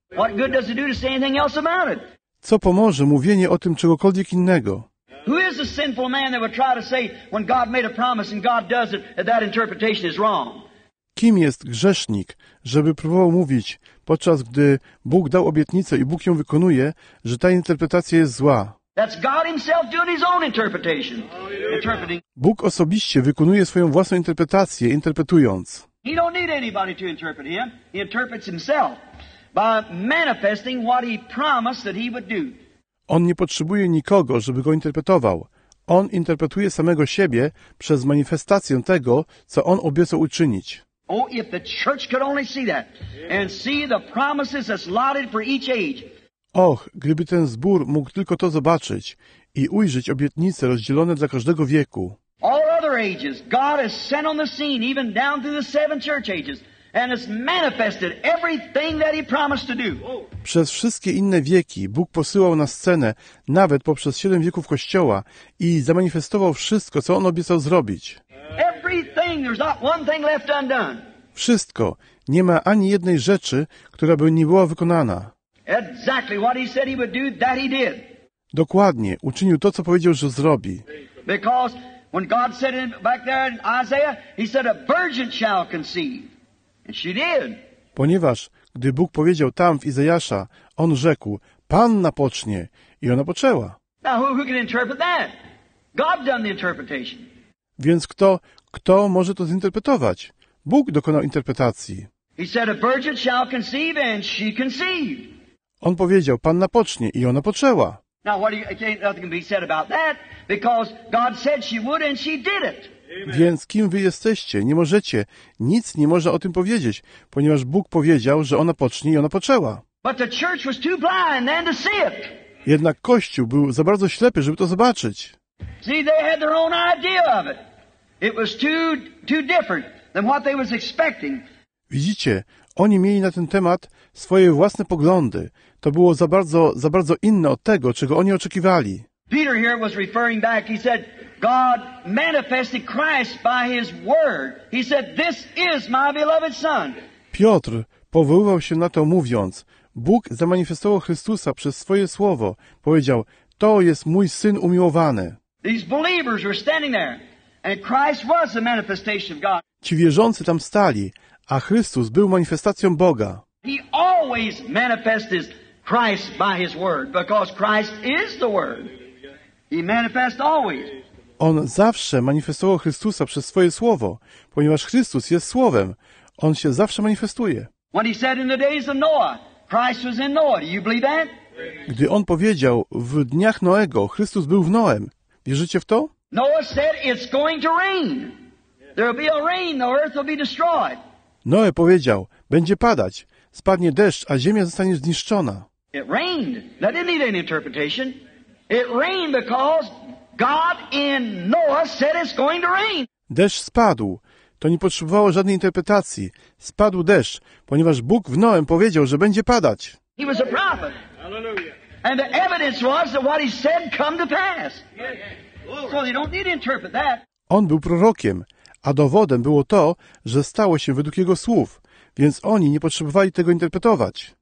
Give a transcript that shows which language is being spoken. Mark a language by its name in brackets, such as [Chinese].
[English] What good does it do to say anything else about it? [Polish] Co pomoże mówienie o tym czegokolwiek innego? [English] Who is a sinful man that would try to say when God made a promise and God does it that interpretation is wrong? [Polish] Kim jest grzesznik, żeby próbował mówić, podczas gdy Bóg dał obietnicę i Bóg ją wykonuje, że ta interpretacja jest zła? [English] That's God himself doing his own interpretation. Interpreting. [Polish] Bóg osobiście wykonuje swoją własną interpretację, interpretując. [English] He don't need anybody to interpret him. He interprets himself by manifesting what he promised that he would do. [Polish] On nie potrzebuje nikogo, żeby go interpretował. On interpretuje samego siebie przez manifestację tego, co on obiecał uczynić. [English] Oh, if the church could only see that and see the promises that's allotted for each age. [Polish] Och, gdyby ten zbór mógł tylko to zobaczyć i ujrzeć obietnice rozdzielone dla każdego wieku. [English] All other ages, God has sent on the scene, even down through the seven church ages, and has manifested everything that He promised to do. [Polish] Przez wszystkie inne wieki Bóg posyłał na scenę, nawet poprzez siedem wieków Kościoła, i zamanifestował wszystko, co On obiecał zrobić. [English] Everything, there's not one thing left undone. [Polish] Wszystko, nie ma ani jednej rzeczy, która by nie była wykonana. [English] Exactly what He said He would do, that He did. [Polish] Dokładnie, uczynił to, co powiedział, że zrobi. [English] Because when God said in, back there in Isaiah, He said, a virgin shall conceive. And she did. [Polish] Ponieważ, gdy Bóg powiedział tam w Izajasza, On rzekł, Panna pocznie. I ona poczęła. [English] Now who can interpret that? God done the interpretation. [Polish] Więc kto może to zinterpretować? Bóg dokonał interpretacji. [English] He said, a virgin shall conceive, and she conceived. [Polish] On powiedział, Panna pocznie. I ona poczęła. [English] Now, nothing can be said about that, because God said she would and she did it. [Polish] Więc kim wy jesteście? Nie możecie. Nic nie można o tym powiedzieć, ponieważ Bóg powiedział, że ona pocznie i ona poczęła. [English] But the church was too blind then to see it. [Polish] Jednak Kościół był za bardzo ślepy, żeby to zobaczyć. [English] See, they had their own idea of it. It was too different than what they was expecting. [Polish] Widzicie, oni mieli na ten temat swoje własne poglądy. To było za bardzo inne od tego, czego oni oczekiwali. [English] Peter here was referring back. He said, God manifested Christ by His word. He said, this is my beloved son. [Polish] Piotr powoływał się na to mówiąc, Bóg zamanifestował Chrystusa przez swoje słowo. Powiedział, to jest mój syn umiłowany. [English] These believers were standing there, and Christ was a manifestation of God. [Polish] Ci wierzący tam stali, a Chrystus był manifestacją Boga. [English] He always manifests Christ by his word, because Christ is the word. He manifests always. [Polish] On zawsze manifestował Chrystusa przez swoje słowo, ponieważ Chrystus jest słowem. On się zawsze manifestuje. [English] When he said in the days of Noah, Christ was in Noah. Do you believe that? [Polish] Gdy on powiedział, w dniach Noego, Chrystus był w Noem. Wierzycie w to? [English] Noah said, it's going to rain. There'll be a rain, the earth will be destroyed. [Polish] Noe powiedział, będzie padać, spadnie deszcz, a ziemia zostanie zniszczona. [English] It rained. That didn't need any interpretation. It rained because God in Noah said it's going to rain. [Polish] Deszcz spadł. To nie potrzebowało żadnej interpretacji. Spadł deszcz, ponieważ Bóg w Noem powiedział, że będzie padać. [English] He was a prophet. And the evidence was that what he said come to pass. So they don't need to interpret that. [Polish] On był prorokiem, a dowodem było to, że stało się według jego słów, więc oni nie potrzebowali tego interpretować.